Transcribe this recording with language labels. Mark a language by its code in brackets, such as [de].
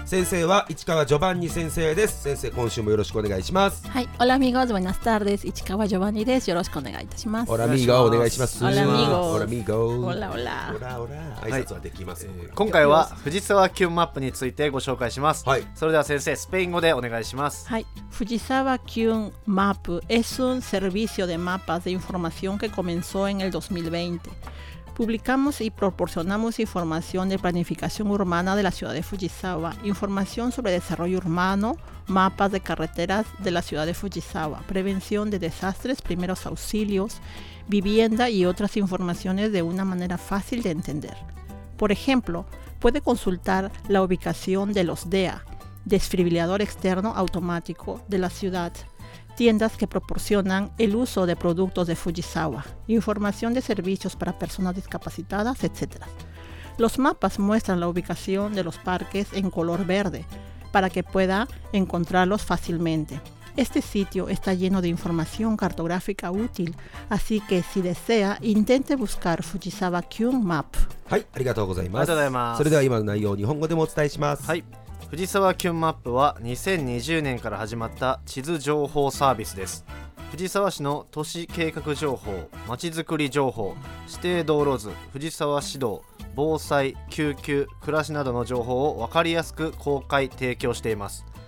[ja] 先生は市川ジョバンニ先生です。先生、今週もよろしくお願いします。はい、 [es] オラミゴーズバナスタール [ja] です。市川ジョバンニです。よろしくお願いいたします。 [es] オラミゴー [ja] お願いします。 [es] オラミゴー、オラミゴー、オラオラオラオラ、 [ja] 挨拶はできます、はい。今回は藤沢キュンマップについてご紹介します。はい、それでは先生、スペイン語でお願いします。はい、 [es] 藤沢キュンマップ es un servicio de mapas de información que comenzó en el 2020. Publicamos y proporcionamos información de planificación urbana de la ciudad de Fujisawa, información sobre desarrollo urbano, mapas de carreteras de la ciudad de Fujisawa, prevención de desastres, primeros auxilios, vivienda y otras informaciones de una manera fácil de entender. Por ejemplo, puede consultar la ubicación de los DEA, desfibrilador externo automático de la ciudad, tiendas que proporcionan el uso de productos de Fujisawa, información de servicios para personas discapacitadas, etc. Los mapas muestran la ubicación de los parques en color verde para que pueda encontrarlos fácilmente. Este sitio está lleno de información cartográfica útil, así que si desea, intente buscar Fujisawa Kyun Map. [ja] はい、ありがとうございます。ありがとうございます。それでは今の内容を日本語でもお伝えします。はい。藤沢キュンマップは2020年から始まった地図情報サービスです。藤沢市の都市計画情報、まちづくり情報、指定道路図、藤沢市道、防災、救急、暮らしなどの情報を分かりやすく公開提供しています。